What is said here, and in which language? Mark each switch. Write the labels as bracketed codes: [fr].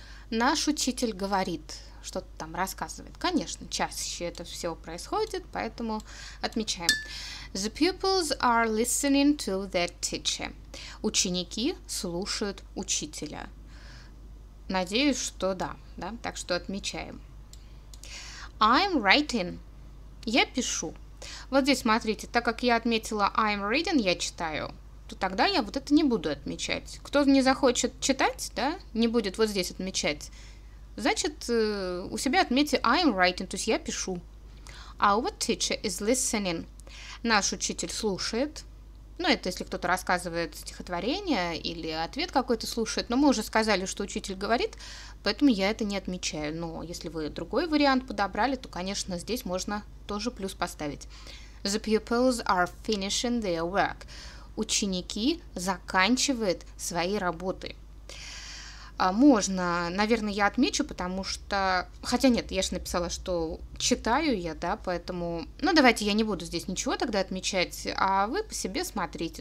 [ru] Наш учитель говорит. Что-то там рассказывает. Конечно, чаще это все происходит, поэтому отмечаем. [en] The pupils are listening to their teacher. [ru] Ученики слушают учителя. Надеюсь, что да, да. Так что отмечаем. [en] I'm writing. [ru] Я пишу. Вот здесь смотрите, так как я отметила [en] I'm reading, [ru] я читаю, то тогда я вот это не буду отмечать. Кто не захочет читать, да, не будет вот здесь отмечать, значит, у себя отметьте [en] I'm writing, [ru] то есть я пишу. [en] Our teacher is listening. [ru] Наш учитель слушает. Ну, это если кто-то рассказывает стихотворение или ответ какой-то слушает. Но мы уже сказали, что учитель говорит, поэтому я это не отмечаю. Но если вы другой вариант подобрали, то, конечно, здесь можно тоже плюс поставить. [en] The pupils are finishing their work. [ru] Ученики заканчивают свои работы. Можно, наверное, я отмечу, потому что... Хотя нет, я же написала, что читаю я, да, поэтому... Ну, давайте я не буду здесь ничего тогда отмечать, а вы по себе смотрите.